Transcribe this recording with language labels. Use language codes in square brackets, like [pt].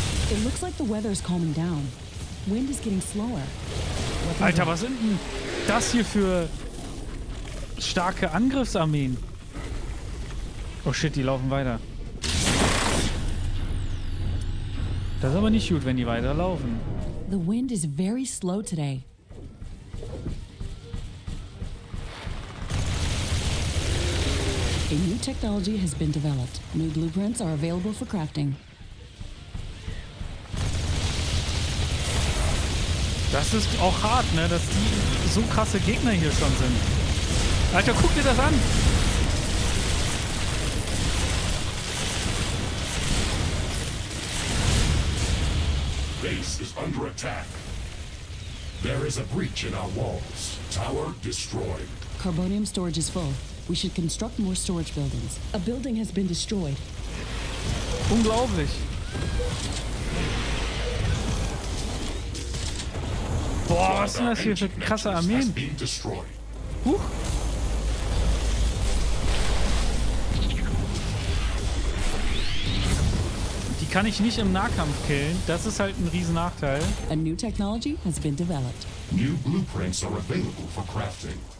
[en] It looks like the weather's calming down. Wind is getting slower. [de] Alter, was sind denn das hier für starke Angriffsarmeen? Oh shit, die laufen weiter. Das ist aber nicht gut, wenn die weiterlaufen. [en] The wind is very slow today. A new technology has been developed. New blueprints are available for crafting. [de] Das ist auch hart, ne, dass die so krasse Gegner hier schon sind. Alter, guck dir das an! [en] Base is under attack. There is a breach in our walls. Tower destroyed. Carbonium storage is full. We should construct more storage buildings. A building has been destroyed. [de] Unglaublich. Boah, was sind das hier für krasse Armeen? Huch! Die kann ich nicht im Nahkampf killen. Das ist halt ein riesen Nachteil. [en] A new technology has been developed. New blueprints are available for crafting.